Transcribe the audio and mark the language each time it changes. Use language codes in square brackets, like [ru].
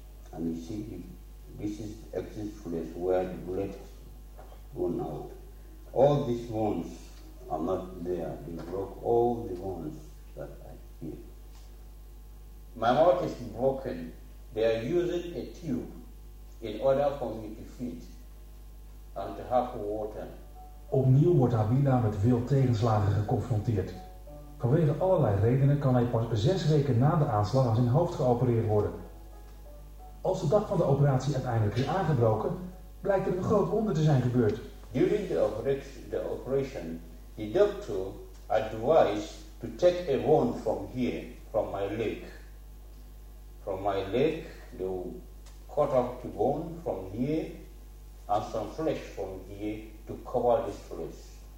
[en] And you see, this is the exit place where the bullet has gone out. All these wounds are not there. He broke all the wounds that I hear. My mouth is broken. They are using a tube in order for me to feed and to have water. [nl] Opnieuw wordt Habila met veel tegenslagen geconfronteerd. Vanwege allerlei redenen kan hij pas 6 weken na de aanslag aan zijn hoofd geopereerd worden. Als de dag van de operatie uiteindelijk is aangebroken, blijkt er een groot wonder te zijn gebeurd. [en] During the operation, the doctor advised to take a wound from here, from my leg. From my leg, they cut off the bone from here and some flesh from here to cover this place.